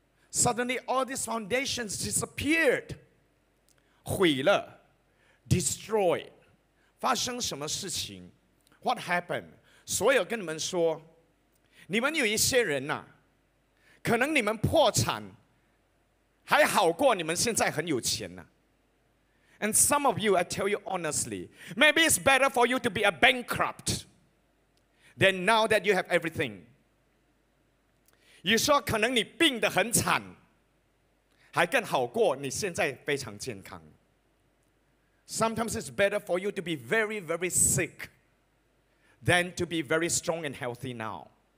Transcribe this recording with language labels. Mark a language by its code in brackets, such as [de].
[en] Suddenly, all these foundations disappeared. [zh] 毁了, [en] destroyed. [zh] 发生什么事情? [en] What happened? [zh] 所有跟你们说, 你们有一些人啊, 可能你们破产, 还好过你们现在很有钱呢。 [en] And some of you, I tell you honestly, maybe it's better for you to be a bankrupt than now that you have everything. [zh] 你说可能你病得很惨, 还更好过你现在非常健康。 [en] Sometimes it's better for you to be very, very sick than to be very strong and healthy now.